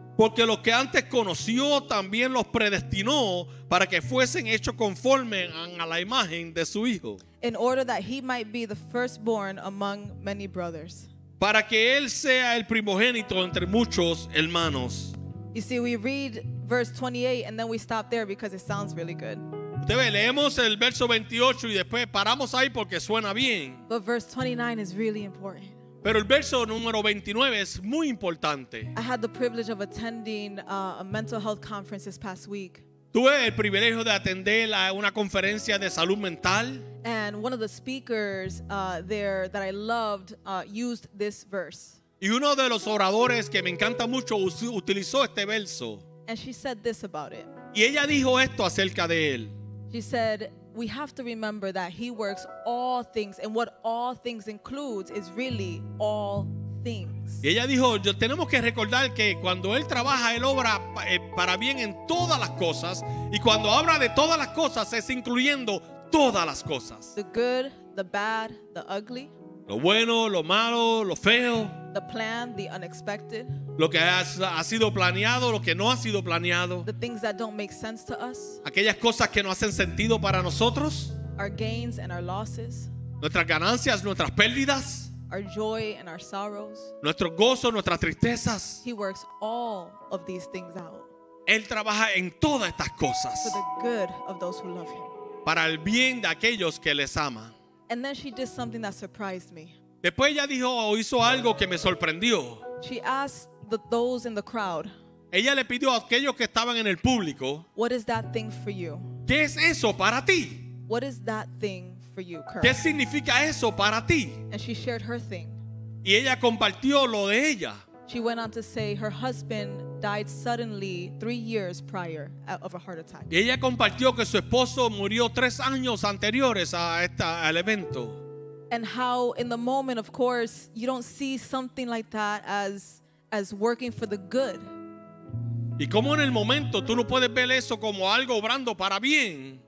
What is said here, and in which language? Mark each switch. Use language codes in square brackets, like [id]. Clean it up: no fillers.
[es] Porque los que antes conoció también los predestinó para que fuesen hechos conforme a la imagen de su hijo. [en] In order that he might be the firstborn among many brothers. [es] Para que él sea el primogénito entre muchos hermanos. [en] You see, we read verse 28 and then we stop there because it sounds really good. [es] Usted ve, leemos el verso 28 y después paramos ahí porque suena bien. [en] But verse 29 is really important. [es] Pero el verso número 29 es muy importante. [en] I had the privilege of attending a mental health conference this past week. [es] Tuve el privilegio de atender a una conferencia de salud mental. [en] And one of the speakers there that I loved used this verse. [es] Y uno de los oradores que me encanta mucho utilizó este verso. [en] And she said this about it. [es] Y ella dijo esto acerca de él. [en] She said, we have to remember that he works all things, and what all things includes is really all things. [es] Y ella dijo, tenemos que recordar que cuando él trabaja, él obra para bien en todas las cosas, y cuando habla de todas las cosas, es incluyendo todas las cosas. [en] The good, the bad, the ugly. [es] Lo bueno, lo malo, lo feo. [en] The plan, the unexpected. [es] Lo que ha sido planeado, lo que no ha sido planeado. [en] The things that don't make sense to us. [es] Aquellas cosas que no hacen sentido para nosotros. [en] Our gains and our losses. [es] Nuestras ganancias, nuestras pérdidas. [en] Our joy and our sorrows. [es] Nuestro gozo, nuestras tristezas. [en] He works all of these things out. [es] Él trabaja en todas estas cosas. [en] For the good of those who love him. [es] Para el bien de aquellos que les ama. [en] And then she did something that surprised me. [es] Después ella dijo o hizo algo que me sorprendió. [en] She asked those in the crowd. [es] Ella le pidió a aquellos que estaban en el público. [en] What is that thing for you? [es] ¿Qué es eso para ti? [en] What is that thing for you, Kurt? [es] ¿Qué significa eso para ti? [en] And she shared her thing. [es] Y ella compartió lo de ella. [en] She went on to say her husband died suddenly 3 years prior of a heart attack. [es] Y ella compartió que su esposo murió 3 años anteriores a esta, al evento. [en] And how in the moment, of course, you don't see something like that as working for the good. [es] Y cómo en el momento tú no puedes ver eso como algo obrando para bien.